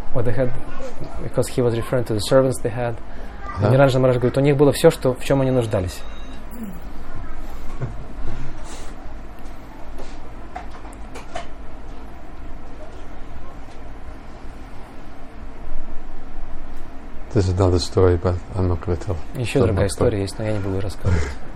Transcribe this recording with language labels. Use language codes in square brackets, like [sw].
[en] What they had, because he was referring to the servants they had. [ru] Ниранджана Махарадж говорит, у них было все, что в чем они нуждались. [en] This is another story, but I'm not going to tell. [ru] Еще другая история есть, но я не буду рассказывать.